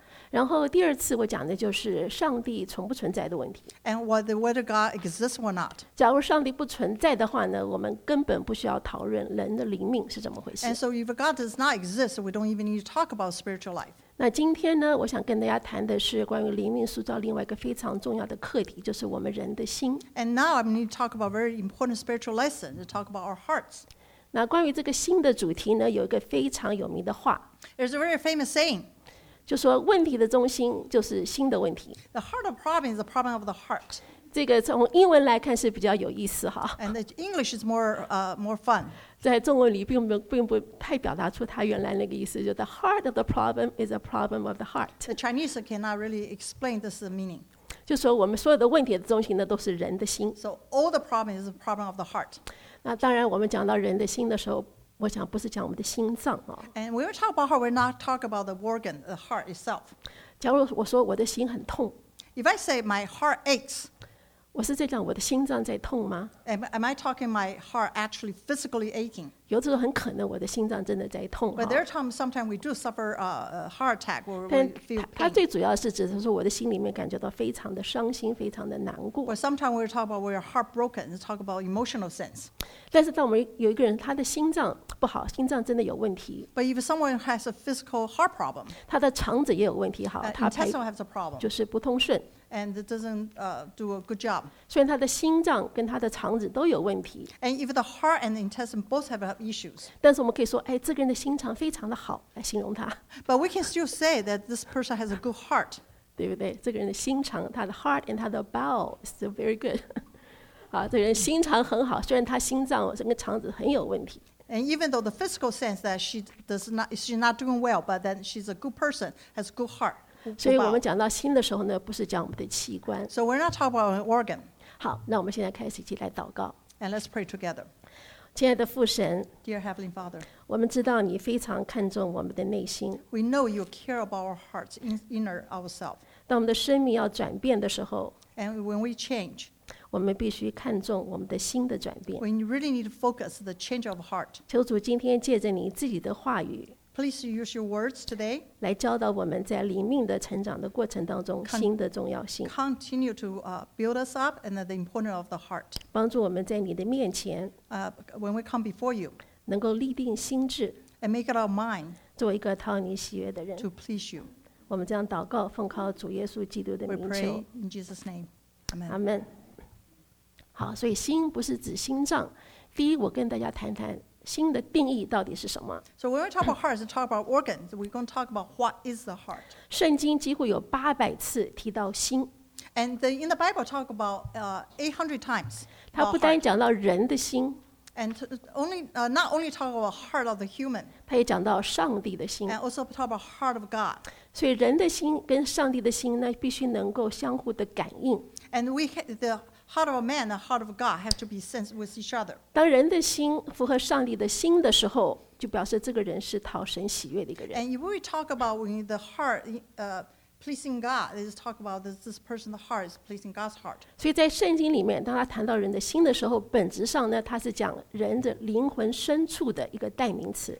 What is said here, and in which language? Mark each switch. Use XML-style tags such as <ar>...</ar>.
<zh>然后第二次我讲的就是上帝存不存在的问题</zh> <en>And whether God exists or not</en> <zh>假如上帝不存在的话呢我们根本不需要讨论人的灵命是怎么回事</zh> <en>And so if God does not exist we don't even need to talk about spiritual life</en> <zh>那今天呢我想跟大家谈的是关于灵命塑造另外一个非常重要的课题就是我们人的心</zh> <en>And now I need to talk about a very important spiritual lesson to talk about our hearts</en> <zh>那关于这个心的主题呢有一个非常有名的话</zh> <en>There's a very famous saying</en> <zh>就说问题的中心就是心的问题</zh> <en>The heart of problem is the problem of the heart</en> <zh>这个从英文来看是比较有意思</zh> <en>And the English is more fun</en> <zh>在中文里并不太表达出它原来那个意思就</zh> <en>The heart of the problem is the problem of the heart The Chinese cannot really explain this meaning</en> <zh>就说我们所有的问题的中心呢都是人的心</zh> <en>So all the problem is the problem of the heart</en> <zh>那当然我们讲到人的心的时候我想不是讲我们的心脏、哦、</zh> <en>And when we talk about heart, we're not talking about the organ, the heart itself.</en> <zh>假如我说我的心很痛</zh> <en>If I say my heart aches,</en> <zh>我是在讲我的心脏在痛吗</zh> <en>Am I talking my heart actually physically aching?</en> <zh>有时候很可能我的心脏真的在痛</zh> <en>But there are times sometimes we do suffer a heart attack or we feel pain.</en> <zh>它最主要是指的是我的心里面感觉到非常的伤心非常的难过</zh> <en>But sometimes we talk about we're heartbroken, talk about emotional sense.</en> <zh>但是当我们有一个人他的心脏不好心脏真的有问题</zh> <en>But if someone has a physical heart problem,</en> <zh>他的肠子也有问题好</zh> <en>intestinal has a problem.</en> <zh>就是不通顺</zh> <en>And it doesn't do a good job.</en> <zh>虽然他的心脏跟他的肠子都有问题。</zh> <en>And if the heart and the intestine both have issues.</en> <zh>但是我们可以说，哎，这个人的心肠非常的好，来形容他。</zh> <en>But we can still say that this person has a good heart.</en> <zh>对不对？这个人的心肠，他的</zh> <en>heart and</en> <zh>他的</zh> <en>bowel is still very good.</en> <zh>啊，这个人心肠很好，虽然他心脏跟肠子很有问题。</zh> <en>And even though the physical sense that she does not, she's not doing well, but then she's a good person, has a good heart.</en> <zh>所以我们讲到心的时候呢不是讲我们的器官</zh> <en>So we're not talking about an organ</en> <zh>好那我们现在开始一起来祷告</zh> <en>And let's pray together</en> <zh>亲爱的父神</zh> <en>Dear Heavenly Father</en> <zh>我们知道你非常看重我们的内心</zh> <en>We know you care about our hearts inner ourselves</en> <zh>当我们的生命要转变的时候</zh> <en>And when we change</en> <zh>我们必须看重我们的心的转变</zh> <en>We really need to focus the change of heart</en> <zh>求主今天借着你自己的话语</zh> <en>Please use your words today.</en> <zh>来教导我们在灵命的成长的过程当中心的重要性。</zh> <en>Continue to build us up and the importance of the heart.</en> <zh>帮助我们在你的面前。</zh> <en>When we come before you.</en> <zh>能够立定心智。</zh> <en>And make it our mind.</en> <zh>做一个讨你喜悦的人。</zh> <en>To please you.</en> <zh>我们这样祷告，奉靠主耶稣基督的名求。</zh> <en>We pray in Jesus' name. Amen.</en> <zh>Amen. 好，所以心不是指心脏。第一，我跟大家谈谈。心的定义到底是什么。</zh> <en>So when we talk about hearts, we talk about organs. We're going to talk about what is the heart.</en> <zh>圣经几乎有800次提到心。</zh> <en>And the, in the Bible, talk about 800 times.</en> <zh>它不单讲到人的心。</zh> <en>And only, not only talk about the heart of the human,</en> <zh>他也讲到上帝的心。</zh> <en>And also talk about the heart of God.</en> <zh>所以人的心跟上帝的心呢，必须能够相互的感应。</zh> <en>And we, the heart of a man and the heart of God have to be sensed with each other.</en> <zh>当人的心符合上帝的心的时候，就表示这个人是讨神喜悦的一个人。</zh> <en>And if we talk about when the heart, pleasing God, let's talk about this person's heart is pleasing God's heart.</en> <zh>所以在圣经里面，当他谈到人的心的时候，本质上呢，他是讲人的灵魂深处的一个代名词。</zh>